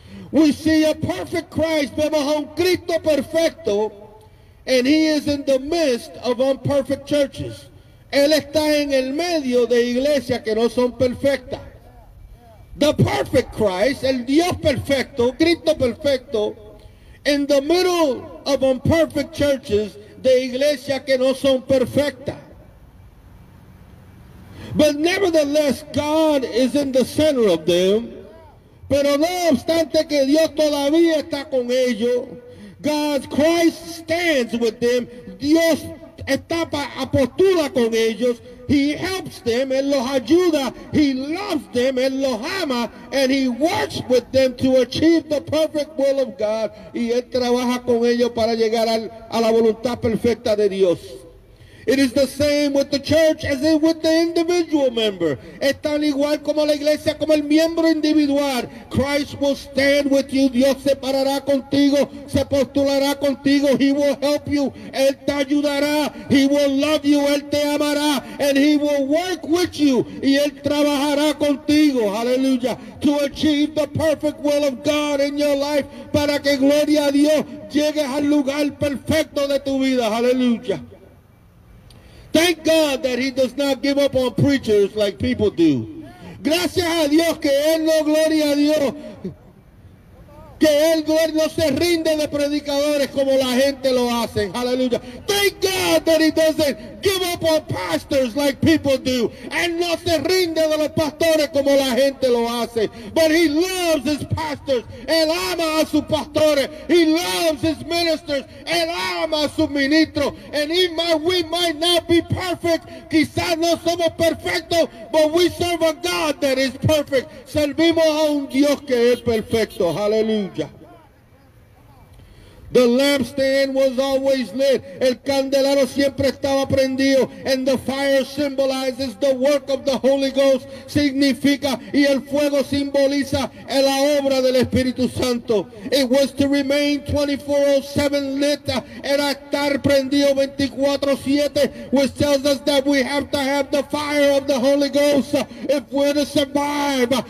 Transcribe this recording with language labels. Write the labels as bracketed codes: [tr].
[en] We see a perfect Christ, [es] vemos a un Cristo perfecto, [en] and he is in the midst of imperfect churches. [es] Él está en el medio de iglesias que no son perfectas. [en] The perfect Christ, [es] el Dios perfecto, Cristo perfecto, [en] in the middle of imperfect churches, [es] de iglesias que no son perfectas. [en] But nevertheless, God is in the center of them. [es] Pero no obstante que Dios todavía está con ellos, [en] God, Christ stands with them. [es] Dios está a postura con ellos. [en] He helps them. [es] Él los ayuda. [en] He loves them. [es] Él los ama. [en] And he works with them to achieve the perfect will of God. [es] Y él trabaja con ellos para llegar a la voluntad perfecta de Dios. [en] It is the same with the church as it with the individual member. [es] Es tan igual como la iglesia, como el miembro individual. [en] Christ will stand with you. [es] Dios se parará contigo, se postulará contigo. [en] He will help you. [es] Él te ayudará. [en] He will love you. [es] Él te amará. [en] And he will work with you. [es] Y él trabajará contigo. [en] Hallelujah. To achieve the perfect will of God in your life. [es] Para que, gloria a Dios, llegues al lugar perfecto de tu vida. [en] Hallelujah. Thank God that he does not give up on preachers like people do. [es] Gracias a Dios que él no, gloria a Dios, que él no se rinde de predicadores como la gente lo hace. [en] Hallelujah. Thank God that he doesn't give up on pastors like people do. [es] Él no se rinde de los pastores como la gente lo hace. [en] But he loves his pastors. [es] Él ama a sus pastores. [en] He loves his ministers. [es] Él ama a sus ministros. [en] And we might not be perfect. [es] Quizás no somos perfectos, [en] but we serve a God that is perfect. [es] Servimos a un Dios que es perfecto. Hallelujah. [en] The lampstand was always lit. [es] El candelero siempre estaba prendido. [en] And the fire symbolizes the work of the Holy Ghost. [es] Significa, y el fuego simboliza la obra del Espíritu Santo. [en] It was to remain 24/7 lit. [es] Era estar prendido 24/7, [en] which tells us that we have to have the fire of the Holy Ghost if we're to survive.